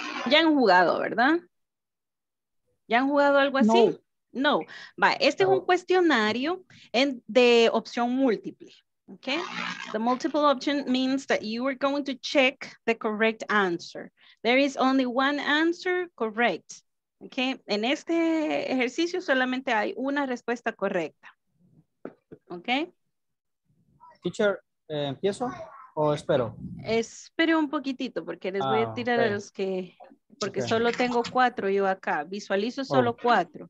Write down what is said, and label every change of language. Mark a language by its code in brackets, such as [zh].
[es] Ya han jugado, ¿verdad? ¿Ya han jugado algo así? No. Va, este es un cuestionario de opción múltiple. [en] Okay? The multiple option means that you are going to check the correct answer. There is only one answer correct. Okay? [es] En este ejercicio solamente hay una respuesta correcta. [en] Okay? [es] Teacher, ¿empiezo o espero? Espere un poquitito porque les voy a tirar a los que... Porque solo tengo 4 yo acá. Visualizo solo 4.